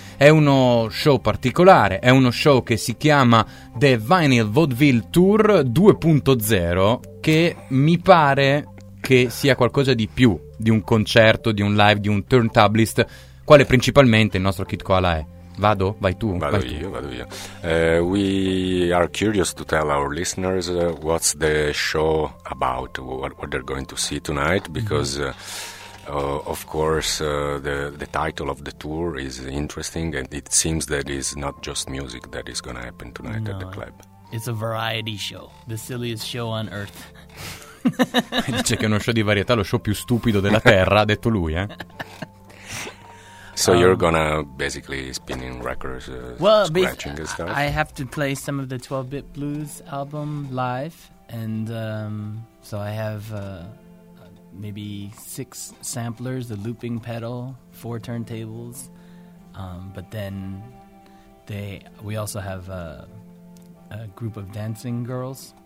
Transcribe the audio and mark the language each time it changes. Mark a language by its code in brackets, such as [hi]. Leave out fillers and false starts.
[it] È uno show particolare, è uno show che si chiama The Vinyl Vaudeville Tour 2.0, che mi pare che sia qualcosa di più di un concerto, di un live, di un turntablist, quale principalmente il nostro Kid Koala è. Vado? Vai tu. Vado io. [en] We are curious to tell our listeners what's the show about, what they're going to see tonight, because of course the title of the tour is interesting, and it seems that it's not just music that is going to happen tonight at the club. It's a variety show, the silliest show on earth. [it] Dice che è uno show di varietà, lo show più stupido della terra, ha detto lui, eh? [en] So you're gonna basically spinning records, scratching and stuff? I have to play some of the 12-bit blues album live, and so I have maybe 6 samplers, a looping pedal, 4 turntables, but then we also have a group of dancing girls.